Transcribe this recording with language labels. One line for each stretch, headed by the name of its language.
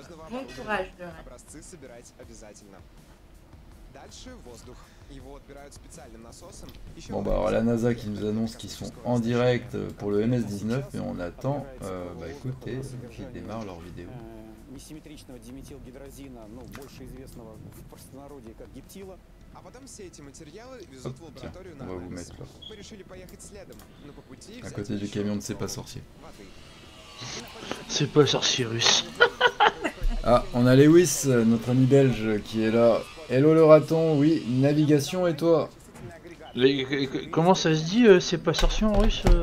Russian: Образцы собирать обязательно. Дальше воздух. Его отбирают специальным насосом.
French: Bon, bah, alors, la NASA qui nous annonce qu'ils sont en direct pour le MS-19, mais on attend, écoutez, qu'ils démarrent leur vidéo.
Russian: Несимметричного диметилгидрозина, ну, больше известного в простонародье как гептила. А потом все эти материалы везут в лабораторию на анализ. Мы решили поехать следом, но по пути...
French: À côté du camion de C'est pas sorcier. C'est pas sorcier russe. Ah, on a Lewis, notre ami belge, qui est là. Hello le raton, oui, navigation et toi? Mais comment ça se dit, c'est pas sorcier en russe